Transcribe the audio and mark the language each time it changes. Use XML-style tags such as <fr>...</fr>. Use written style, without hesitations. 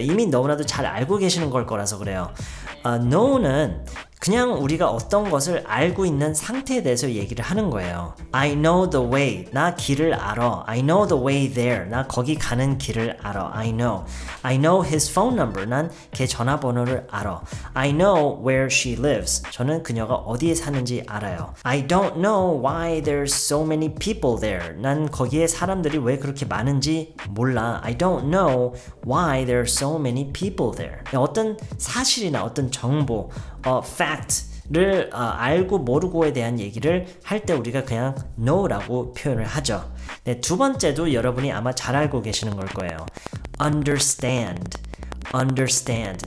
<ko>이미 너무나도 잘 알고 계시는 걸 거라서 그래요. know는 그냥 우리가 어떤 것을 알고 있는 상태에 대해서 얘기를 하는 거예요.</ko> <en>I know the way.</en> <ko>나 길을 알아.</ko> <en>I know the way there.</en> <ko>나 거기 가는 길을 알아.</ko> <en>I know. I know his phone number.</en> <ko>난 걔 전화번호를 알아.</ko> <en>I know where she lives.</en> <ko>저는 그녀가 어디에 사는지 알아요.</ko> <en>I don't know why there's so many people there.</en> <ko>난 거기에 사람들이 왜 그렇게 많은지 몰라.</ko> <en>I don't know why there's so many people there.</en> <ko>어떤 사실이나 어떤 정보, fact를 알고 모르고에 대한 얘기를 할 때 우리가 그냥 know라고 표현을 하죠. 네, 두 번째도 여러분이 아마 잘 알고 계시는 걸 거예요.</ko> <en>Understand. Understand.</en>